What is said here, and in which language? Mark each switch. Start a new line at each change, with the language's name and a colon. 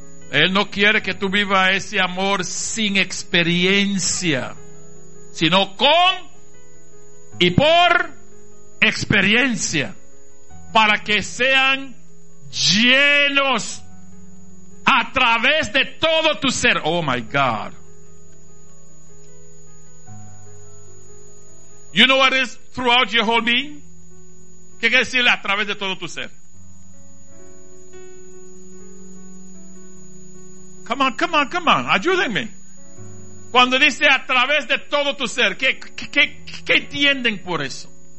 Spanish: Él no quiere que tú vivas ese amor sin experiencia, sino con y por experiencia, para que sean llenos a través de todo tu ser.
English: Oh my God. You know what is throughout your whole being?
Spanish: ¿Qué quiere decir a través de todo tu ser?
English: Come on,
Spanish: ayúdenme. Cuando dice a través de todo tu ser, ¿qué entienden por eso?